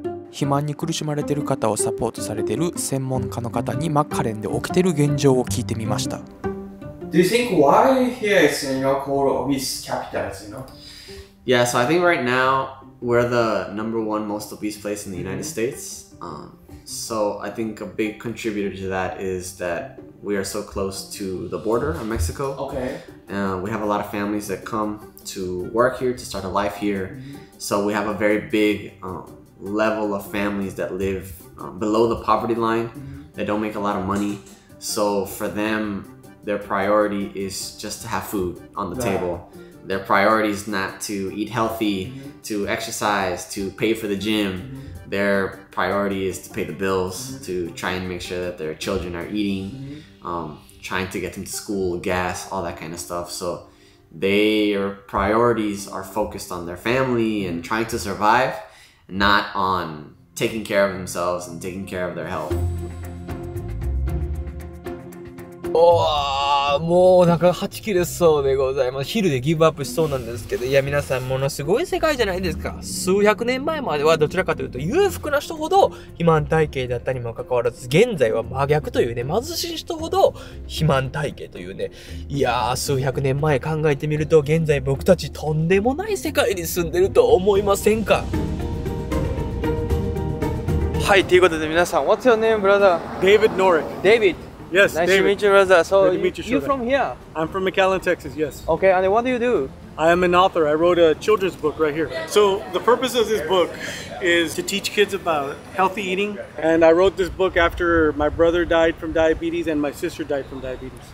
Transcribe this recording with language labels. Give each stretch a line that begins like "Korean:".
Japanese: 肥満に苦しまれている方をサポートされている専門家の方にマッカレンで起きている現状を聞いてみました。
English: Do you think why here is called obese capital, you know? Yeah, so I think right now we're the number one most obese place in the United States. So I think a big contributor to that is that we are so close to the border of Mexico. Okay. We have a lot of families that come to work here, to start a life here. Mm-hmm. So we have a very big level of families that live below the poverty line, mm-hmm. that don't make a lot of money. So for them, their priority is just to have food on the right. table. Their priority is not to eat healthy, mm-hmm. to exercise, to pay for the gym. Mm-hmm. Their priority is to pay the bills, mm-hmm. to try and make sure that their children are eating, mm-hmm. Trying to get them to school, gas, all that kind of stuff. So their priorities are focused on their family and trying to survive, not on taking care of themselves and taking care of their health. Oh!
Japanese: もうお腹がはち切れそうでございます。昼でギブアップしそうなんですけど、いや皆さんものすごい世界じゃないですか。数百年前まではどちらかというと裕福な人ほど肥満体型だったにもかかわらず、現在は真逆というね、貧しい人ほど肥満体型というね。いやー、数百年前考えてみると、現在僕たちとんでもない世界に住んでると思いませんか。はい、ということで皆さん、
English: What's your name, brother? David Norick. David Yes, nice、 David. To meet you, Raza. So, nice to meet you, you're from here? I'm from McAllen, Texas, yes. Okay, and what do you do? I am an author. I wrote a children's book right here. So, the purpose of this book is to teach kids about healthy eating. And I wrote this book after my brother died from diabetes and my sister died from diabetes.